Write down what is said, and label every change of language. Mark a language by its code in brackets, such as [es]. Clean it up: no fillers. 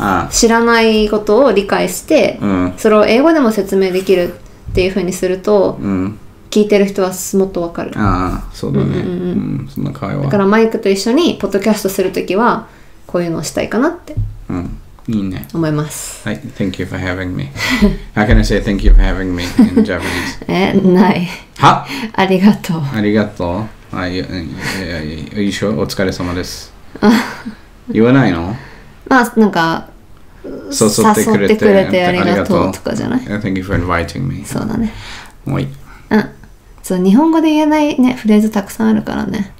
[ja] 知らないことを理解して、うん、それを英語でも説明できるっていう風にすると、うん、聞いてる人はもっとわかる。ああ、そうだね。うんうんうん、そんな会話。だからマイクと一緒にポッドキャストするときはこういうのをしたいかなって。うん、いいね。思います。 [en] はい、Thank you for having me. How can I say thank you for having me in Japanese? [ja] え、ない。は？ありがとう。ありがとう。いいしょ、お疲れ様です。言わないの？まあなんか誘ってくれてありがとうとかじゃない [en] ？Thank you for inviting me。 [ja] そうだね。おい。うん。そう、日本語で言えないねフレーズたくさんあるからね。